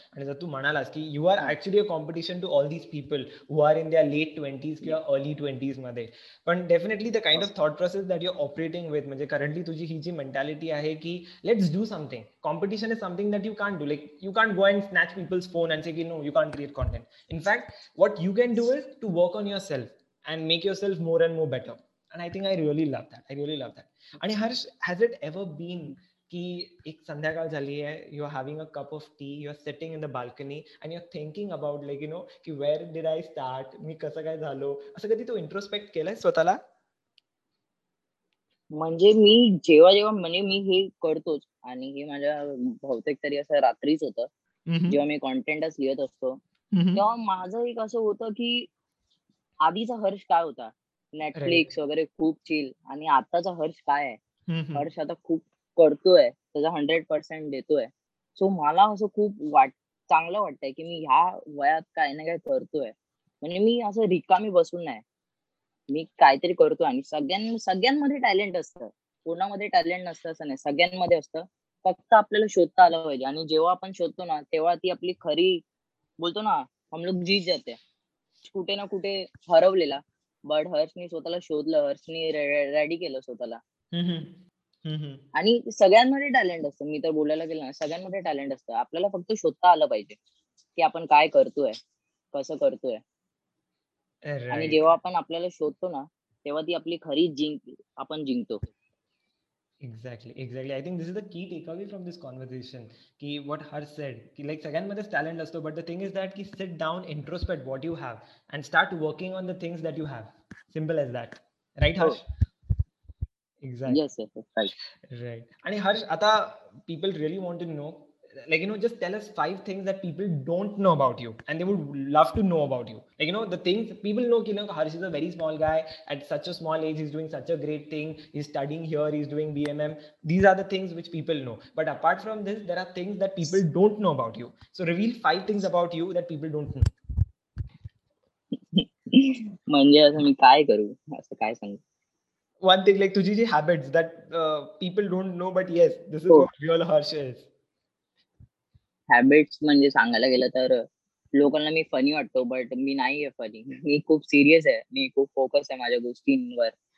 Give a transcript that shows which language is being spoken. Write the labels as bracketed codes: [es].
[mr] आणि जर तू म्हणालास की [en] you are actually a competition to all these people who are in their late 20s किंवा early 20s मध्ये, पण definitely the kind of thought process that you are operating with, [mr] म्हणजे currently तुझी ही जी mentality आहे की [en] Let's do something. Competition is something that you can't do, like you can't go and snatch people's phone and say की no you can't create content. In fact what you can do is to work on yourself and make yourself more and more better. And I think I really love that. I really love that. And Harsh, has it ever been [mr] ki ek sandhya kaal chali hai, [en] you're having a cup of tea, you're sitting in the balcony and you're thinking about like, you know, ki where did I start, [mr] me kasa kai zalo, asa kadhi tu introspect kela hai swatala? Manje mi jeva jeva mane mi he karto ani he maja bahutek tari asa ratris hota jeva mi content as lihat asto tya maja ek asa hota ki adicha Harsh kay hota, Netflix वगैरे खूप chill. आणि आताचा हर्ष काय आहे? हर्ष आता खूप करतोय, त्याचा 100% देतोय. सो मला असं खूप चांगलं वाटतंय की मी ह्या वयात काय ना काय करतोय. म्हणजे मी असं रिकामी बसून नाही, मी काहीतरी करतोय. आणि सगळ्यांमध्ये टॅलेंट असतं, कोणामध्ये टॅलेंट नसतं असं नाही, सगळ्यांमध्ये असतं. फक्त आपल्याला शोधता आलं पाहिजे. आणि जेव्हा आपण शोधतो ना, तेव्हा ती आपली खरी बोलतो ना, [hi] हमलोग जीत जाते. [mr] कुठे ना कुठे हरवलेला, बट हर्षनी स्वतःला शोधलं, हर्षनी रेडी केलं स्वतःला. आणि सगळ्यांमध्ये टॅलेंट असतं, मी तर बोलायला गेलो ना, सगळ्यांमध्ये टॅलेंट असतं. आपल्याला फक्त शोधता आलं पाहिजे की आपण काय करतोय, कसं करतोय. आणि जेव्हा आपण आपल्याला शोधतो ना, तेव्हा ती आपली खरी आपण जिंकतो. [en] Exactly. I think this is the key takeaway from this conversation. Ki what Harsh said, ki like second mother's talent also, but the thing is that ki sit down, introspect what you have and start working on the things that you have. Simple as that. Right, Harsh? Exactly. Yes, sir. Right. And Harsh, ata people really want to know, like, you know, just tell us 5 things that people don't know about you and they would love to know about you. Like, you know, the things people know, you know, Harsh is a very small guy at such a small age. He's doing such a great thing. He's studying here. He's doing BMM. These are the things which people know. But apart from this, there are things that people don't know about you. So reveal 5 things about you that people don't know. [mr] Manje asa mi kay karu, asa kay sangu. [en] One thing, like [mr] tujhi ji [en] habits that people don't know, but yes, this is what real Harsh is. [mr] Habits म्हणजे सांगायला गेलं तर लोकांना मी funny वाटतो, but मी नाही आहे funny. मी खूप serious आहे, मी खूप फोकस आहे माझ्या गोष्टींवर.